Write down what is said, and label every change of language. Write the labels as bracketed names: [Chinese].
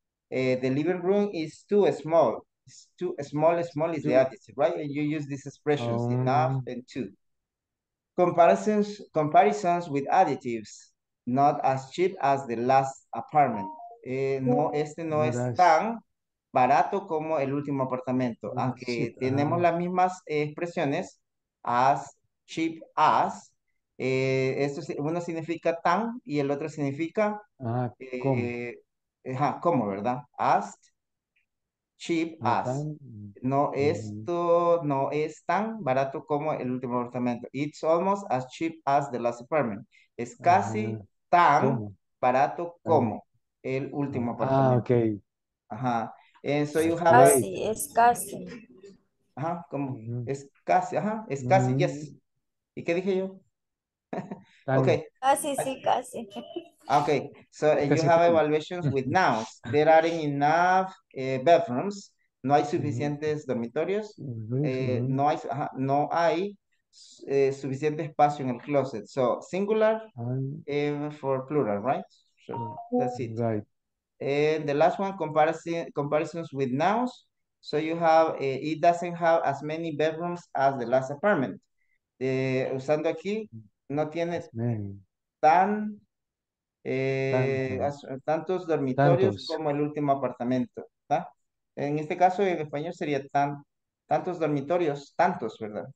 [English] The living room is too small. It's too small. Small is the adjective, right? And you use these expressions enough and too. Comparisons with adjectives. Not as cheap as the last apartment. [Spanish] No, este no es tan barato como el último apartamento. Aunque tenemos las mismas expresiones, as, cheap, as, esto uno significa tan y el otro significa como, ¿verdad? As, cheap, as. No, esto no es tan barato como el último apartamento. [English] It's almost as cheap as the last apartment. [Spanish] Es casi tan barato como el último apartamento. [English] Ah, okay. Ajá. And so you have [Spanish] casi, es casi. Ajá, ¿cómo? Mm-hmm. Es casi, ajá, es casi, yes. ¿Y qué dije yo? Okay. Casi, sí, casi. [English] Okay, so casi you have evaluations with nouns. There aren't enough bedrooms. [Spanish] No hay suficientes dormitorios. [English] Mm-hmm. [Spanish] No hay, ajá, no hay suficiente espacio en el closet. [English] So, singular for plural, right? So, that's it. Right. And the last one, comparisons with nouns. So you have, it doesn't have as many bedrooms as the last apartment. [Spanish] Usando aquí, no tiene tantos dormitorios como el último apartamento. ¿Tá? En este caso, en español sería tantos dormitorios, ¿verdad?